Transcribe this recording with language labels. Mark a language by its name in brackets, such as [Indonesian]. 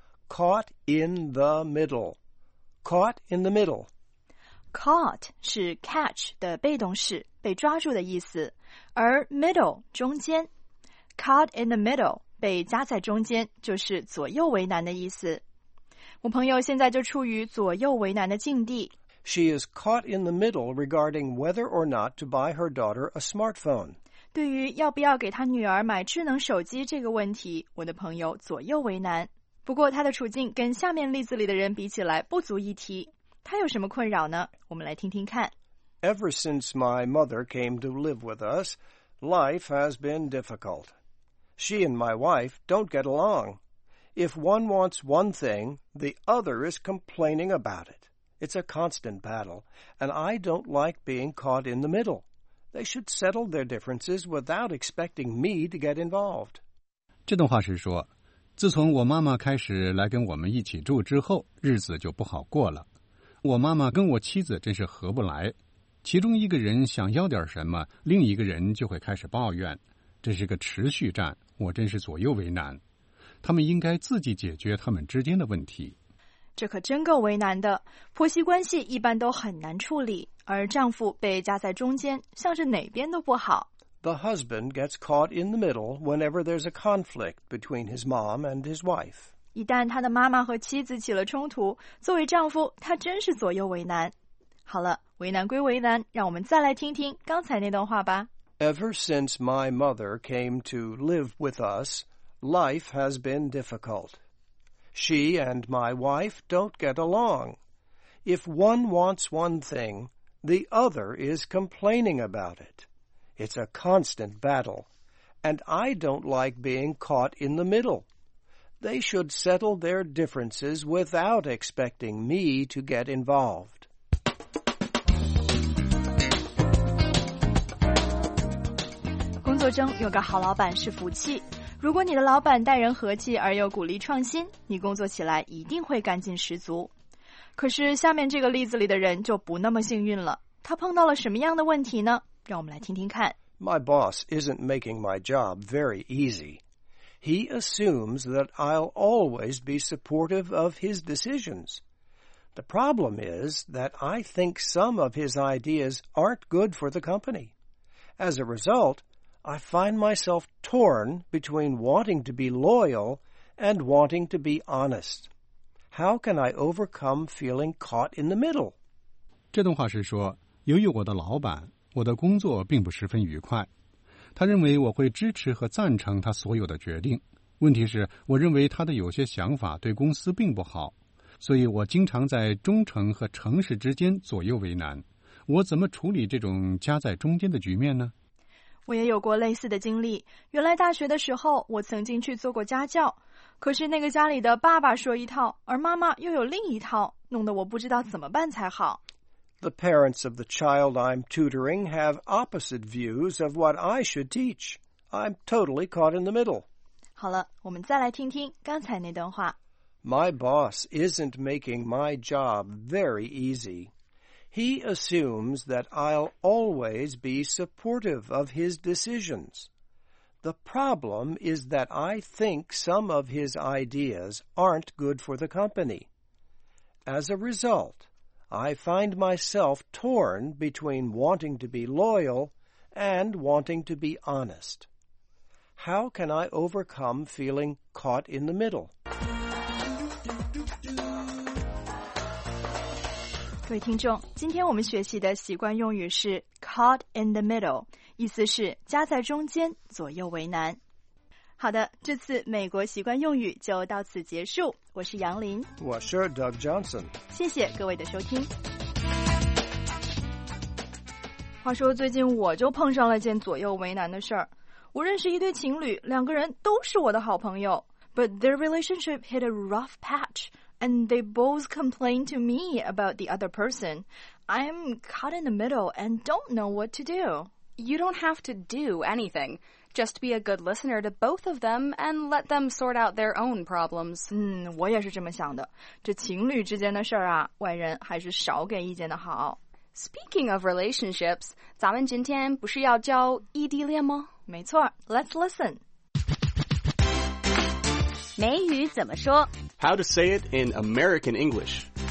[English] Caught in the middle. Caught in the middle. [Chinese] Caught 是 catch 的被动式，被抓住的意思，而 middle 中间 Caught in the middle被夹在中间就是左右为难的意思。我朋友现在就处于左右为难的境地。 [English] She is caught in the middle regarding whether or not to buy her daughter a smartphone. [Chinese] 对于要不要给她女儿买智能手机这个问题，我的朋友左右为难。不过她的处境跟下面例子里的人比起来不足一提。她有什么困扰呢？我们来听听看。 [English] Ever since my mother came to live with us, life has been difficult. She and my wife don't get along. If one wants one thing, the other is complaining about it. It's a constant battle, and I don't like being caught in the middle. They should settle their differences without expecting me to get involved. [Chinese] 这段话是说，自从我妈妈开始来跟我们一起住之后，日子就不好过了。我妈妈跟我妻子真是合不来，其中一个人想要点什么，另一个人就会开始抱怨，这是个持续战，我真是左右为难。他们应该自己解决他们之间的问题。这可真够为难的，婆媳关系一般都很难处理，而丈夫被夹在中间，像是哪边都不好。 [English] The husband gets caught in the middle whenever there's a conflict between his mom and his wife. [Chinese] 一旦他的妈妈和妻子起了冲突，作为丈夫，他真是左右为难。好了，为难归为难，让我们再来听听刚才那段话吧。 [English] Ever since my mother came to live with us, life has been difficult. She and my wife don't get along. If one wants one thing, the other is complaining about it. It's a constant battle, and I don't like being caught in the middle. They should settle their differences without expecting me to get involved. [Chinese] 工作中有个好老板是福气。如果你的老板待人和气而又鼓励创新，你工作起来一定会干劲十足。可是下面这个例子里的人就不那么幸运了，他碰到了什么样的问题呢？让我们来听听看。 [English] My boss isn't making my job very easy. He assumes that I'll always be supportive of his decisions. The problem is that I think some of his ideas aren't good for the company. As a result, I find myself torn between wanting to be loyal and wanting to be honest. How can I overcome feeling caught in the middle? [Chinese] 这段话是说，由于我的老板，我的工作并不十分愉快，他认为我会支持和赞成他所有的决定。问题是，我认为他的有些想法对公司并不好，所以我经常在忠诚和诚实之间左右为难。我怎么处理这种夹在中间的局面呢？我也有过类似的经历。原来大学的时候，我曾经去做过家教，可是那个家里的爸爸说一套，而妈妈又有另一套，弄得我不知道怎么办才好。 [English] The parents of the child I'm tutoring have opposite views of what I should teach. I'm totally caught in the middle. [Chinese] 好了，我们再来听听刚才那段话。 [English] My boss isn't making my job very easy. He assumes that I'll always be supportive of his decisions. The problem is that I think some of his ideas aren't good for the company. As a result... I find myself torn between wanting to be loyal and wanting to be honest. How can I overcome feeling caught in the middle? [Chinese] 各位听众，今天我们学习的习惯用语是 caught in the middle, 意思是夹在中间，左右为难。好的，这次美国习惯用语就到此结束。我是杨林，我是 Doug Johnson。谢谢各位的收听。话说最近我就碰上了件左右为难的事儿。我认识一对情侣，两个人都是我的好朋友 [English] ，but their relationship hit a rough patch, and they both complain to me about the other person. I'm caught in the middle and don't know what to do. You don't have to do anything. Just be a good listener to both of them and let them sort out their own problems. [Chinese] 我也是这么想的。这情侣之间的事儿啊，外人还是少给意见的好。 [English] Speaking of relationships, [Chinese] 咱们今天不是要教异地恋吗？没错 [English] ,let's listen. [Chinese] 美语怎么说 [English] ?How to say it in American English.